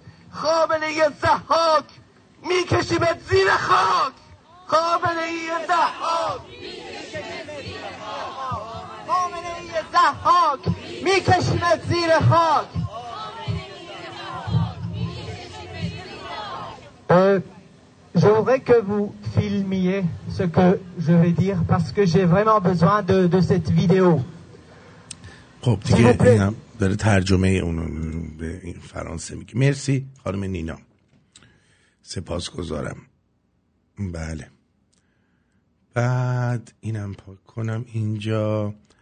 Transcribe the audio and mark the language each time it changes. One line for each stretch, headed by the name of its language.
Persian: خامنه ای زحاک می کشی به زیر خاک، خامنه ای زحاک می کشی به زیر خاک،
French: J'aimerais que vous filmiez ce que je vais dire parce que j'ai vraiment besoin de cette vidéo.
Persian: خب دیگه اینم داره ترجمه اون به فرانسه میگه. مرسی خانم نینا، سپاسگزارم. بله بعد اینم پاک کنم اینجا.